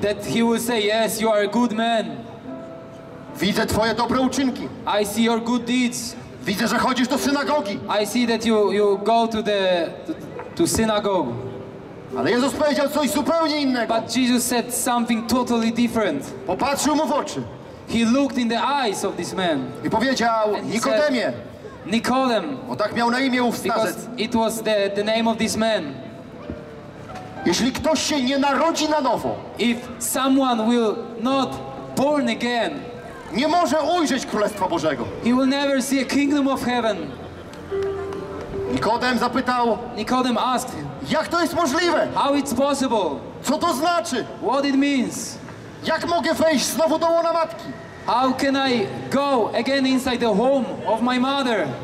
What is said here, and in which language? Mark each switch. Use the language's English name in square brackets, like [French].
[English] That he will say, yes, you are a good man. [Polish] Widzę twoje dobre uczynki. [English] I see your good deeds. [Polish] Widzę, że chodzisz do synagogi. [English] I see that you go to synagogue. [Polish] Ale Jezus powiedział coś zupełnie innego. [English] But Jesus said something totally different. [Polish] Popatrzył mu w oczy. [English] He looked in the eyes of this man. [Polish] I powiedział, Nikodemie. [English] Nikodem, [Polish] bo tak miał na imię ów starzec. [English] It was the name of this man. [Polish] Jeśli ktoś się nie narodzi na nowo, [English] if someone will not born again, [Polish] nie może ujrzeć Królestwa Bożego. [English] He will never see a kingdom of heaven. [Polish] Nikodem zapytał, [English] Nikodem asked him, [Polish] jak to jest możliwe? [English] How it's possible? [Polish] Co to znaczy? [English] What it means? [Polish] Jak mogę wejść znowu do łona matki? [English] How can I go again inside the home of my mother?